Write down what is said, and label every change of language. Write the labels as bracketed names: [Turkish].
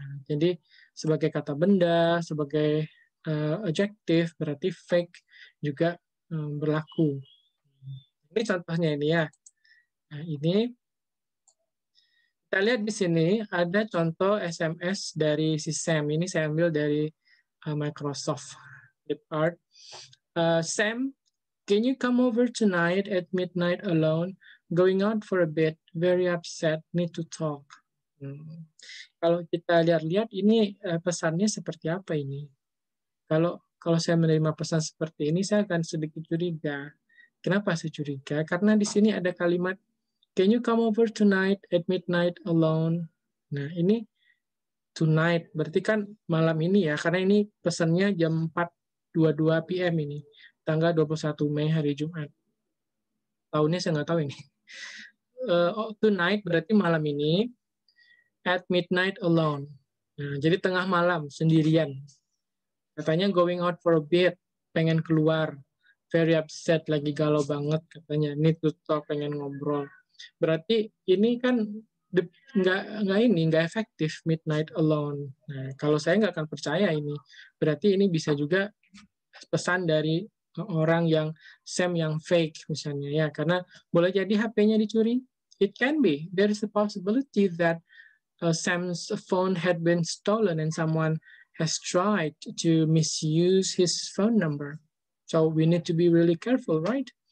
[Indonesian] Jadi, sebagai kata benda, sebagai adjektif, berarti fake juga berlaku. Ini contohnya ini ya. Nah, ini. Kita lihat di sini, ada contoh SMS dari si Sam. Ini saya ambil dari Microsoft Flipkart. [English] Sam, can you come over tonight at midnight alone? Going out for a bit, very upset, need to talk. [Indonesian] Kalau kita lihat-lihat, ini pesannya seperti apa ini? Kalau saya menerima pesan seperti ini, saya akan sedikit curiga. Kenapa saya curiga? Karena di sini ada kalimat, [English] can you come over tonight at midnight alone? [Indonesian] Nah, ini tonight, berarti kan malam ini ya, karena ini pesannya jam 4.22 PM ini. Tanggal 21 Mei hari Jumat. Tahunnya saya nggak tahu ini. [English] Tonight [Indonesian] berarti malam ini. [English] At midnight alone. [Indonesian] Nah, jadi tengah malam, sendirian. Katanya [English] going out for a bit. [Indonesian] Pengen keluar. [English] Very upset, [Indonesian] lagi galau banget. Katanya [English] need to talk, [Indonesian] pengen ngobrol. Berarti ini kan nggak efektif. [English] Midnight alone. [Indonesian] Nah, kalau saya nggak akan percaya ini. Berarti ini bisa juga pesan dari orang yang Sam yang fake misalnya ya, karena boleh jadi HP-nya dicuri. [English] It can be there is a possibility that Sam's phone had been stolen and someone has tried to misuse his phone number. So we need to be really careful, right?